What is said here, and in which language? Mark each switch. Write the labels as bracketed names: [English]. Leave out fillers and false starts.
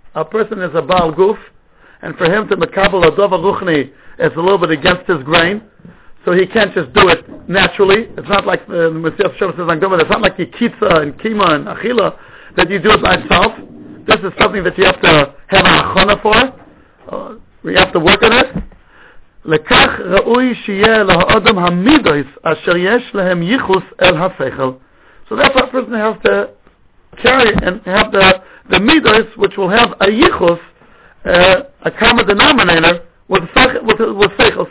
[English] A person is a baal guf, and for him to [Hebrew] mekabel ha'dov ha'ruchni [English] is a little bit against his grain, so he can't just do it naturally. It's not like the Messiah Shem says, it's not like yikitza and kima and achila, that you do it by itself. This is something that you have to have a hachona for. We have to work on it. [Hebrew] לכך ראוי שיהיה לאדם המידויס אשר יש להם ייחוס אל השכל. [English] So therefore a person has to carry and have the midos which will have a ייחוס, a common denominator with seichel.